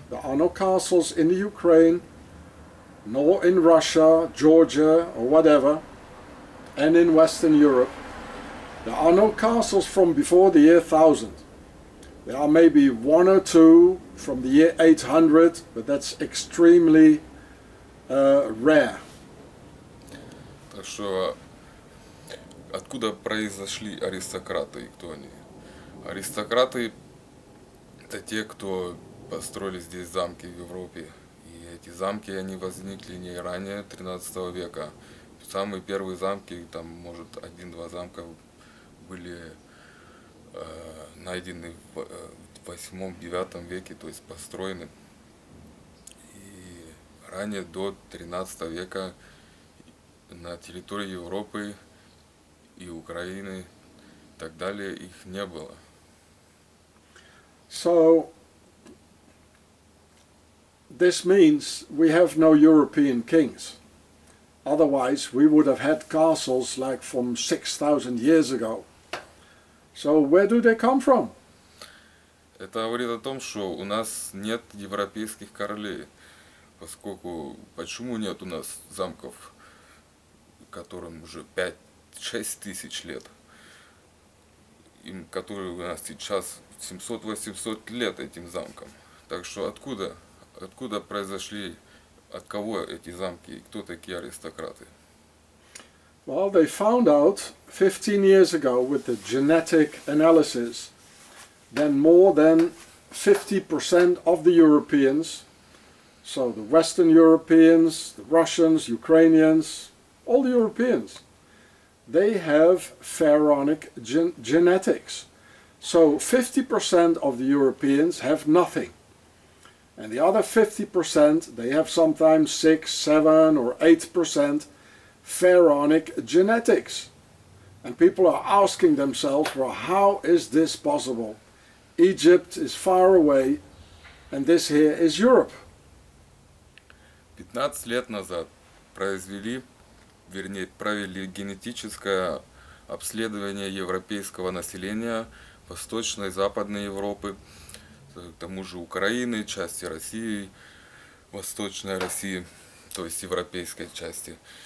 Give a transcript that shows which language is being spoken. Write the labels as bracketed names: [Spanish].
[English] There are no castles in the Ukraine, nor in Russia, Georgia, or whatever, and in Western Europe. There are no castles from before the year 1000. There are maybe one or two from the year 800, but that's extremely rare. [Russian] Так что, откуда произошли аристократы и кто они? Аристократы – это те, кто построили здесь замки в Европе. И эти замки, они возникли не ранее 13 века. Самые первые замки, там, может, один-два замка были найдены в 8-9 веке, то есть построены. И ранее, до 13 века, на территории Европы и Украины и так далее, их не было. [English] So, this means we have no European kings. Otherwise, we would have had castles like from 6,000 years ago. So, where do they come from? [Russian] Это говорит о том, что у нас нет европейских королей. Поскольку, почему нет у нас замков, которым уже 5-6 тысяч лет? Им, которые у нас сейчас 700-800 лет этим замкам. Так что откуда? Откуда произошли, от кого эти замки, кто такие аристократы? [English] Well, they found out 15 years ago with the genetic analysis that more than 50% of the Europeans, so the Western Europeans, the Russians, Ukrainians, all the Europeans, they have pharaonic genetics. So 50% of the Europeans have nothing. And the other 50%, they have sometimes 6, 7 or 8% pharaonic genetics. And people are asking themselves, well, how is this possible? Egypt is far away, and this here is Europe. [Russian] 15 лет назад произвели, вернее, провели генетическое обследование европейского населения Восточной и Западной Европы, к тому же Украины, части России, Восточной России, то есть европейской части.